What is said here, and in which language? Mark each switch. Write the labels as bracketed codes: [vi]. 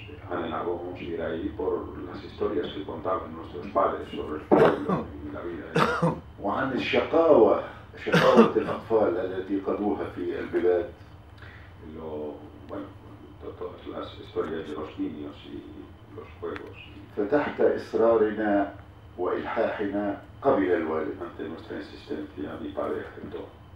[es] Anhelábamos ir ahí por las historias que contaban nuestros padres sobre el pueblo y la vida. [ar] وعن الشقاوة شقاوة الأطفال التي قضوها في البلاد. [es] Lo bueno todas las historias de los niños y los juegos. [ar] فتحت إصرارنا وإلحاحنا قبل الوالد. [es] Ante nuestra insistencia mi padre aceptó.